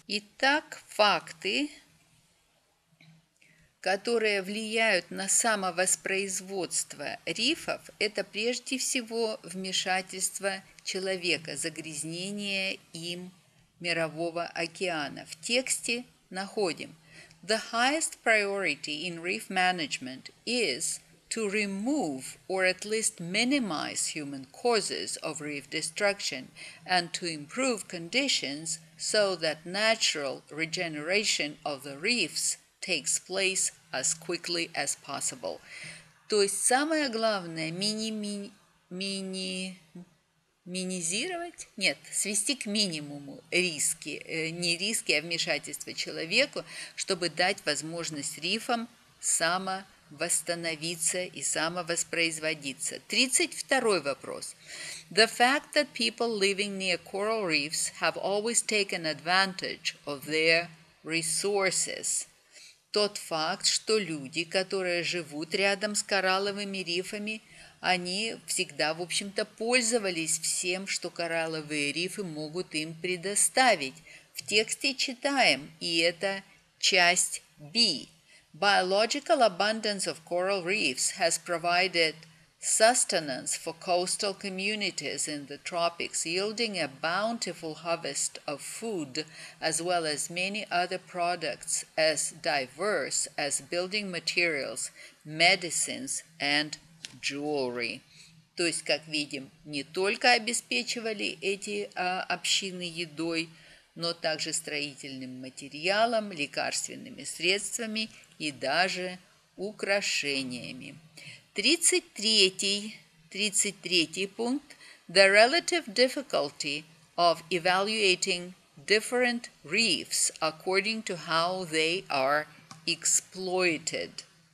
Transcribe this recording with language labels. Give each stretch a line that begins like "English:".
Russian: Итак, факты, которые влияют на самовоспроизводство рифов, это прежде всего вмешательство человека, загрязнение им мирового океана. В тексте находим:
English: The highest priority in reef management is to remove or at least minimize human causes of reef destruction and to improve conditions so that natural regeneration of the reefs takes place as quickly as possible.
Russian: То есть самое главное свести к минимуму риски, не риски, а вмешательство человеку, чтобы дать возможность рифам самовосстановиться и самовоспроизводиться. 32-й вопрос.
English: The fact that people living near coral reefs have always taken advantage of their resources.
Russian: Тот факт, что люди, которые живут рядом с коралловыми рифами, они всегда, в общем-то, пользовались всем, что коралловые рифы могут им предоставить. В тексте читаем, и это часть B.
English: Biological abundance of coral reefs has provided sustenance for coastal communities in the tropics, yielding a bountiful harvest of food, as well as many other products as diverse as building materials, medicines and jewelry.
Russian: То есть, как видим, не только обеспечивали эти общины едой, но также строительным материалом, лекарственными средствами и даже украшениями. 33-й пункт.
English: The relative difficulty of evaluating different reefs according to how they are exploited.